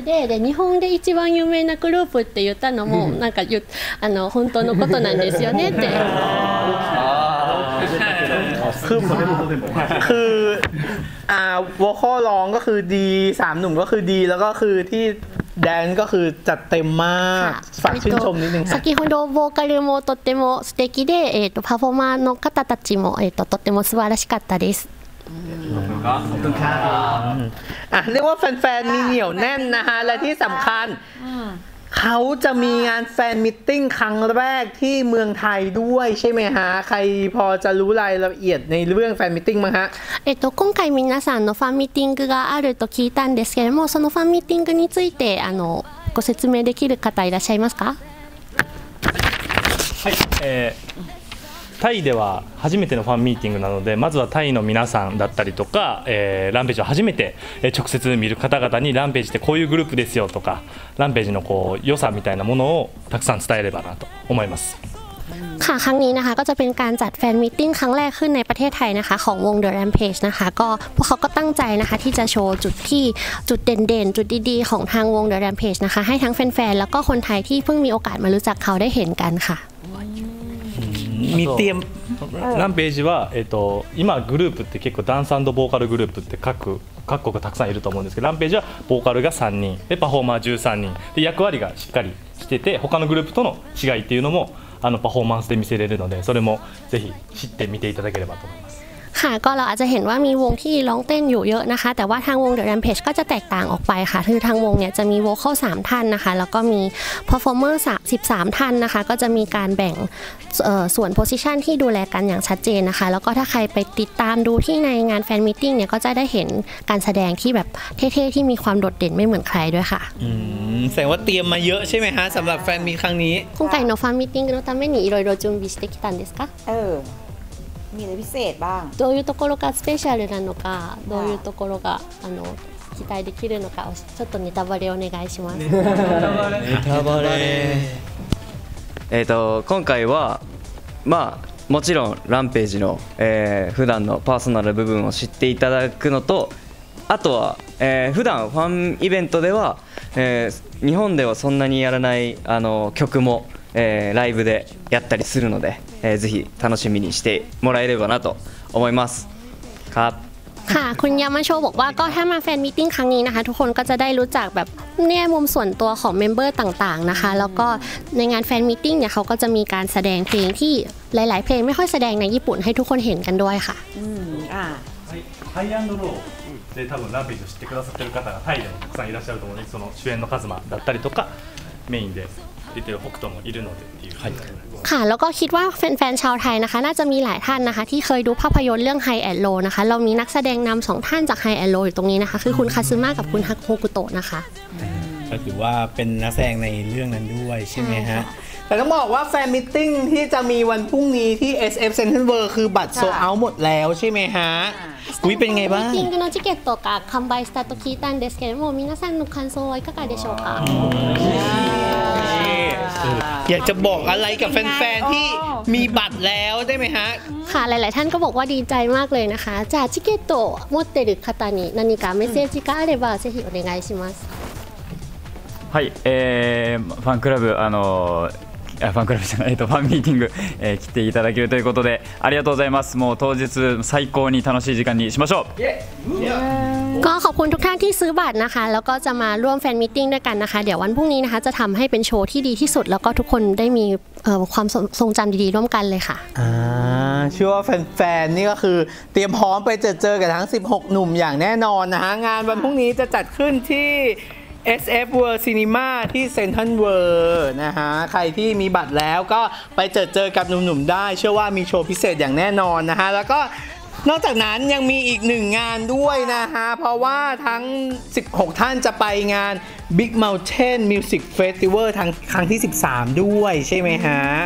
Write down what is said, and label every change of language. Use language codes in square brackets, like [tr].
[ja] で日本で一番有名なグループって言ったのもなんかあの本当のことなんですよねって。 [th] คือ ผมได้รู้ตัวเอง คือวอคอลร้องก็คือดี3หนุ่มก็คือดีแล้วก็คือที่แดนก็คือจัดเต็มมากฝากชื่นชมนิดนึงค่ะ [ja] 先ほどボーカルもとても素敵でパフォーマーの方たちもとても素晴らしかったです [th] ขอบคุณครับขอบคุณค่ะเรียกว่าแฟนๆมีเหนียวแน่นนะฮะและที่สำคัญเขาจะมีงานแฟนมิตติ้งครั้งแรกที่เมืองไทยด้วยใช่ไหมฮะใครพอจะรู้รายละเอียดในเรื่องแฟนมิตติ้งมั้งฮะ [ja] 今回皆さんのファンミーティングがあると聞いたんですけれどもそのファンミーティングについてご説明できる方いらっしゃいますか？はい、タイでは初めてのファンミーティングなのでまずはタイの皆さんだったりとか、ランページを初めて直接見る方々にランページってこういうグループですよとかランページのこう良さみたいなものをたくさん伝えればなと思います [th] ค่ะครั้งนี้นะคะก็จะเป็นการจัดแฟนมีตติ้งครั้งแรกขึ้นในประเทศไทยนะคะของวง The Rampage นะคะก็พวกเขาก็ตั้งใจนะคะที่จะโชว์จุดที่จุดเด่นๆจุดดีๆของทางวง The Rampage นะคะให้ทั้งแฟนๆแล้วก็คนไทยที่เพิ่งมีโอกาสมารู้จักเขาได้เห็นกันค่ะ มีเตรียม [ja] ランページは今グループって結構ダンス&ボーカルグループって各国たくさんいると思うんですけどランページはボーカルが3人でパフォーマー13人で役割がしっかりしてて他のグループとの違いっていうのもパフォーマンスで見せれるのでそれもぜひ知ってみていただければと思います [th] ค่ะก็เราอาจจะเห็นว่ามีวงที่ร้องเต้นอยู่เยอะนะคะแต่ว่าทางวง The Rampage ก็จะแตกต่างออกไปค่ะคือทางวงเนี่ยจะมีโวคอล3ท่านนะคะแล้วก็มีเพอร์ฟอร์เมอร์13ท่านนะคะก็จะมีการแบ่งส่วนโพซิชันที่ดูแลกันอย่างชัดเจนนะคะแล้วก็ถ้าใครไปติดตามดูที่ในงานแฟนมีตติ้งเนี่ยก็จะได้เห็นการแสดงที่แบบเท่ๆที่มีความโดดเด่นไม่เหมือนใครด้วยค่ะ แสดงว่าเตรียมมาเยอะใช่ไหมฮะสำหรับแฟนมีครั้งนี้ [ja] 今回のファンミーティングのためにいろいろ準備してきたんですか？ [th] มีอะไรพิเศษบ้าง [ja] どういうところがスペシャルなのかどういうところが期待できるのかちょっとネタバレお願いしますネタバレ今回はまあもちろんランページの、普段のパーソナル部分を知っていただくのとあとは、普段ファンイベントでは、日本ではそんなにやらない曲もライブでやったりするので、ぜひ楽しみにしてもらえればなと思います。 [th] ค่ะ ค่ะ คุณยามาโชบอกว่าก็ถ้ามาแฟนมีตติ้งครั้งนี้นะคะทุกคนก็จะได้รู้จักแบบแง่มุมส่วนตัวของเมมเบอร์ต่างๆนะคะแล้วก็ในงานแฟนมีตติ้งเนี่ยเขาก็จะมีการแสดงเพลงที่หลายๆเพลงไม่ค่อยแสดงในญี่ปุ่นให้ทุกคนเห็นกันด้วยค่ะ [ja] ハイ&ローで多分ランページを知ってくださってる方がタイでもたくさんいらっしゃると思うのでその主演のカズマだったりとかメインで出てる北斗もいるのでっていう。はい。 [th] ค่ะแล้วก็คิดว่าแฟนๆชาวไทยนะคะน่าจะมีหลายท่านนะคะที่เคยดูภาพยนตร์เรื่อง High and Low นะคะเรามีนักแสดงนำสองท่านจาก High and Low อยู่ตรงนี้นะคะคือคุณคาซึมะกับคุณฮาโคกุโตะนะคะ ก็ถือว่าเป็นนักแสดงในเรื่องนั้นด้วยใช่ไหมฮะแต่ต้องบอกว่าแฟนมีตติ้งที่จะมีวันพรุ่งนี้ที่ SF Central World คือบัตรโซเอาหมดแล้วใช่ไหมฮะกุ้ยเป็นไงบ้าง [ja] มีตติ้งのチケットが完売したと聞いたんですけども皆さんの感想はいかがでしょうか [th] อยากจะบอกอะไรกับแฟนๆที่มีบัตรแล้วได้ไหมฮะ ค่ะหลายๆท่านก็บอกว่าดีใจมากเลยนะคะจาก [ja] チケット持ってる方に何かメッセージがあればぜひお願いしますはい、ファンクラブファンクラブじゃないとファンミーティング、来ていただけるということでありがとうございますもう当日最高に楽しい時間にしましょう [th] ก็ขอบคุณทุกท่านที่ซื้อบัตรนะคะแล้วก็จะมาร่วมแฟนมีตติ้งด้วยกันนะคะเดี๋ยววันพรุ่งนี้นะคะจะทำให้เป็นโชว์ที่ดีที่สุดแล้วก็ทุกคนได้มีความทรงจำดีๆร่วมกันเลยค่ะ เชื่อว่าแฟนๆนี่ก็คือเตรียมพร้อมไปเจอกันทั้ง16หนุ่มอย่างแน่นอนนะฮะงานวันพรุ่งนี้จะจัดขึ้นที่SF World Cinema ที่ Central World นะฮะใครที่มีบัตรแล้วก็ไปเจอกับหนุ่มๆได้เชื่อว่ามีโชว์พิเศษอย่างแน่นอนนะฮะแล้วก็นอกจากนั้นยังมีอีกหนึ่งงานด้วยนะฮะเพราะว่าทั้ง16ท่านจะไปงาน Big Mountain Music Festival ทั้งครั้งที่13ด้วยใช่ไหมฮะ